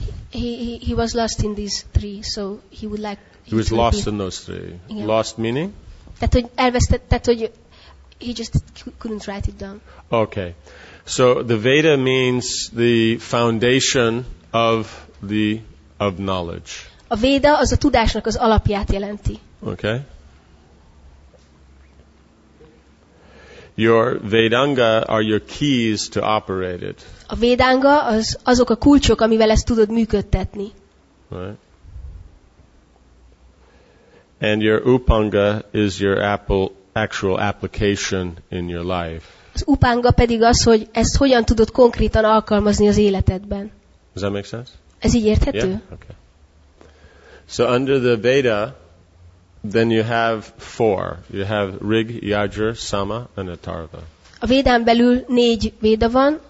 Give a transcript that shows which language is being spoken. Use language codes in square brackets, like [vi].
[en] He was lost in these three, so he would like... He was lost in those three. Yeah. Lost meaning? [hu] Tehát, hogy elvesztett, tehát, hogy [en] he just couldn't write it down. Okay. So, the Veda means the foundation of knowledge. [hu] A Veda az a tudásnak az alapját jelenti. [en] Okay. Your Vedanga are your keys to operate it. [hu] A Vedanga az azok a kulcsok, amivel ezt tudod működtetni. [en] Right. And your Upanga is your actual application in your life. [hu] Az Upanga pedig az, hogy ezt hogyan tudod konkrétan alkalmazni az életedben. [en] Does that make sense? [hu] Ez így érthető? [en] Yeah? Okay. So under the Veda, then you have four. You have Rig, Yajur, Sama, and Atharva. [hu] A Védán belül négy Véda van.